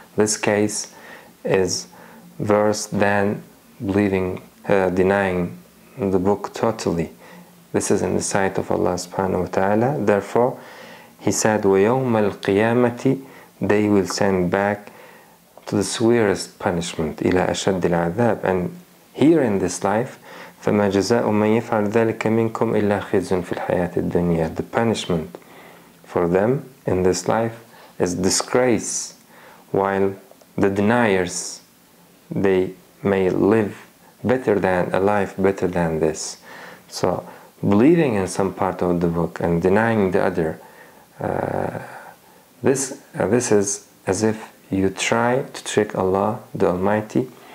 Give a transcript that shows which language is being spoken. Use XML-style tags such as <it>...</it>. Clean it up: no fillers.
<en>This case is worse than denying the book totally. This is in the sight of Allah subhanahu wa ta'ala. Therefore, he said,</en> <ar>وَيَوْمَ الْقِيَامَةِ,</ar> <en>they will send back to the severest punishment,</en> <ar>إِلَىٰ أَشَدِّ الْعَذَابِ.</ar> <en>And here in this life,</en> <ar>فَمَا جَزَاءُ مَنْ يَفْعَلْ ذَلِكَ مِنْكُمْ إِلَّا خِزْيٌ فِي الْحَيَاةِ الدُّنْيَا.</ar> <en>The punishment for them in this life is disgrace, while the deniers, they may live better than a life better than this. So believing in some part of the book and denying the other, this is as if you try to trick Allah the Almighty.</en>